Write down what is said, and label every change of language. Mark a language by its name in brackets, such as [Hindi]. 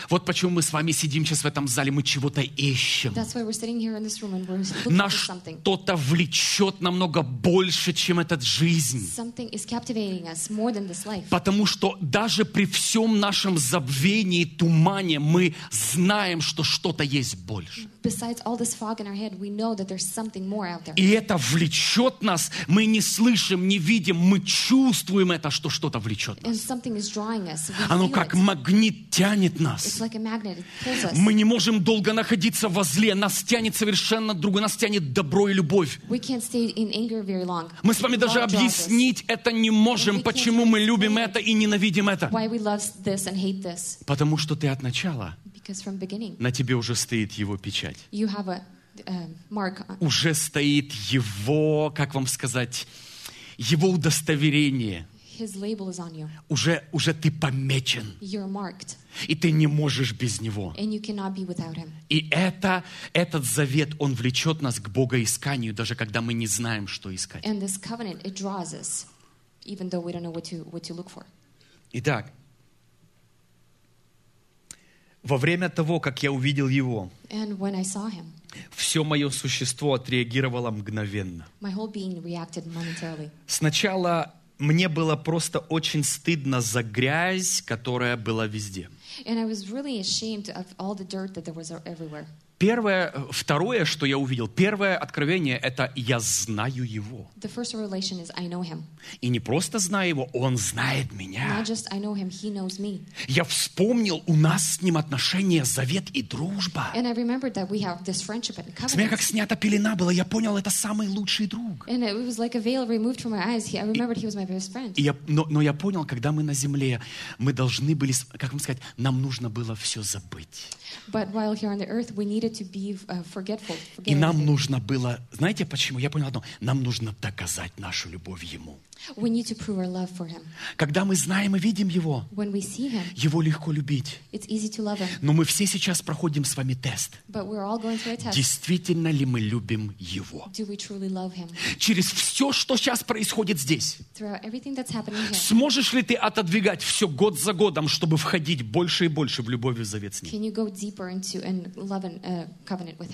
[Russian] Вот почему мы с вами сидим сейчас в этом зале, мы чего-то ищем. [English] That's why we're sitting here in this room and we're looking for something. [Russian] Нас что-то влечет намного больше, чем эта жизнь. [English] Something is captivating us more than this life. [Russian] Потому что даже при всем нашем забвении, тумане, мы знаем, что что-то есть больше. [English] Besides all this fog in our head, we know that there's something more out there. [Russian] И это влечет нас. Мы не слышим, не видим, мы чувствуем это, что что-то влечет нас. [English] And something is drawing us. [Russian] Как магнит тянет нас. [English] It's like a magnet. It pulls us. [Russian] Мы не можем долго находиться во зле. Нас тянет совершенно друг. Нас тянет добро и любовь. [English] We can't stay in anger very long. [Russian] Мы с вами [English] we [Russian] даже объяснить [English] us. [Russian] Это не можем, почему мы любим это и ненавидим это. [English] Why we love this and hate this. [Russian] Потому что ты от начала. [English] Because from beginning. [Russian] На тебе уже стоит его печать. [English] You have a, mark. [Russian] Уже стоит его, как вам сказать, его удостоверение. [English] His label is on you. [Russian] Уже ты помечен. [English] You're marked. [Russian] И ты не можешь без него. [English] And you cannot be without him. [Russian] И этот завет, он влечет нас к богоисканию, даже когда мы не знаем, что искать. [English] And this covenant, it draws us, even though we don't know what to look for. [Russian] Итак, во время того, как я увидел его, [English] and when I saw him, [Russian] все мое существо отреагировало мгновенно. [English] My whole being reacted momentarily. [Russian] Сначала мне было просто очень стыдно за грязь, которая была везде. [English] And I was really ashamed of all the dirt that there was everywhere. [Russian] Второе, что я увидел, первое откровение, это я знаю его. [English] The first revelation is I know him. [Russian] И не просто знаю его, он знает меня. [English] Not just I know him, he knows me. [Russian] Я вспомнил, у нас с ним отношения, завет и дружба. [English] And I remembered that we have this friendship and covenant. [Russian] С меня как снята пелена была, я понял, это самый лучший друг. [English] And it was like a veil removed from my eyes. I remembered he was my best friend. [Russian] Но я понял, когда мы на земле, мы должны были, как вам сказать, нам нужно было все забыть. [English] But while here on the earth, we needed to be forgetful. [Russian] И нам нужно было, знаете почему? Я понял одно. Нам нужно доказать нашу любовь ему. [English] We need to prove our love for him. [Russian] Когда мы знаем и видим его, [English] when we see him, [Russian] его легко любить. [English] It's easy to love him. [Russian] Но мы все сейчас проходим с вами тест. [English] But we're all going through a test. [Russian] Действительно ли мы любим его? [English] Do we truly love him? [Russian] Через все, что сейчас происходит здесь, [English] throughout everything that's happening here, [Russian] сможешь ли ты отодвигать все год за годом, чтобы входить больше и больше в любовь и в завет с ним? [English] Can you go deeper into and love and covenant with him?